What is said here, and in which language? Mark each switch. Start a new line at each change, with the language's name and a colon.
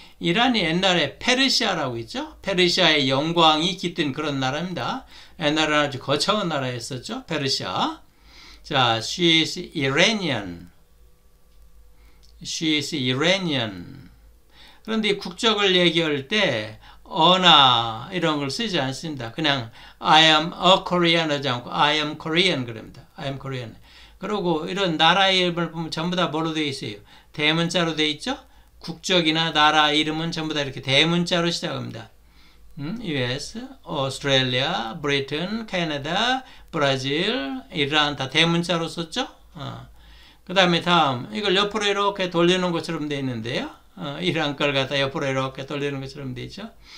Korean: 이란이 옛날에 페르시아라고 있죠. 페르시아의 영광이 깃든 그런 나라입니다. 옛날에 아주 거창한 나라였었죠. 페르시아. 자,
English: she is Iranian. She is Iranian.
Korean: 그런데 국적을 얘기할 때 언어 이런 걸 쓰지 않습니다. 그냥
English: I am a Korean
Korean: 하지 않고
English: I am Korean
Korean: 그럽니다.
English: I am Korean.
Korean: 그리고 이런 나라 이름을 보면 전부 다 뭐로 되어 있어요? 대문자로 되어 있죠? 국적이나 나라 이름은 전부 다 이렇게 대문자로 시작합니다. US, Australia, Britain, Canada, Brazil, Iran 다 대문자로 썼죠? 그 다음에 다음 이걸 옆으로 이렇게 돌리는 것처럼 되어 있는데요. 이란 걸 갖다 옆으로 이렇게 돌리는 것처럼 되어 있죠.